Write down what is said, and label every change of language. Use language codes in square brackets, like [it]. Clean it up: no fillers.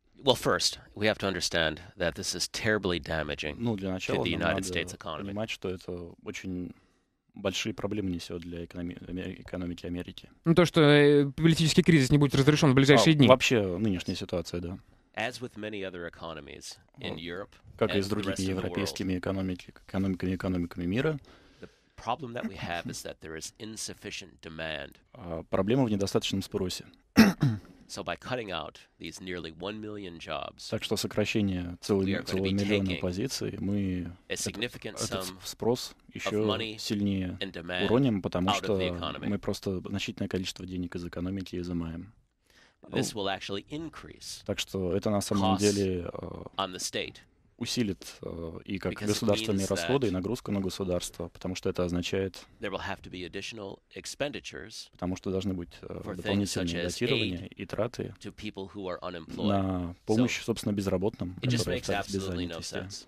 [en] Well, first, we have to understand that this is terribly damaging to the United States economy. [ru] Для начала надо понимать, что это очень... большие проблемы несет для экономики Америки. Ну, то, что политический кризис не будет разрешен в ближайшие дни. Вообще, нынешняя ситуация, да. [en] As with many other economies in Europe, [ru] как и с другими европейскими экономиками мира, проблема в недостаточном спросе. [en] So by cutting out these nearly 1 million jobs, [ru] так что сокращение целого миллиона позиций, мы этот спрос еще сильнее уроним, потому что мы просто значительное количество денег из экономики изымаем. [en] This will actually increase, [ru] так что это на самом деле усилит и как государственные расходы, и нагрузку на государство, потому что это означает, потому что должны быть дополнительные дотирования и траты на помощь, собственно, безработным, которые остались без занятости.